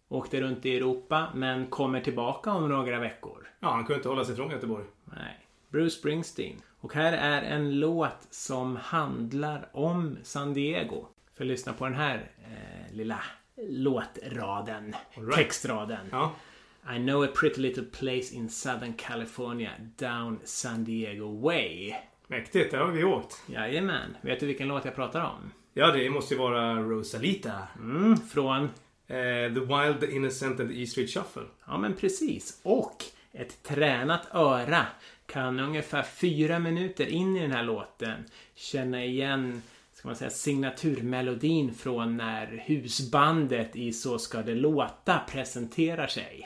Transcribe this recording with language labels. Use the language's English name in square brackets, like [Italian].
[Swedish] Åkte runt i Europa, men kommer tillbaka om några veckor. Ja, han kunde inte hålla sig från Göteborg. Nej. Bruce Springsteen. Och här är en låt som handlar om San Diego. För lyssna på den här lilla låtraden, [English] right. [Swedish] Textraden. Ja. [English] I know a pretty little place in Southern California down San Diego way. [Swedish] Mäktigt, det har vi åkt. Jajamän, vet du vilken låt jag pratar om? Ja, det måste ju vara Rosalita. Mm, från? [English] The Wild, the Innocent and the E Street Shuffle. [Swedish] Ja, men precis. Och ett tränat öra kan ungefär 4 minuter in i den här låten känna igen, ska man säga, signaturmelodin från när husbandet i Så ska det låta presenterar sig.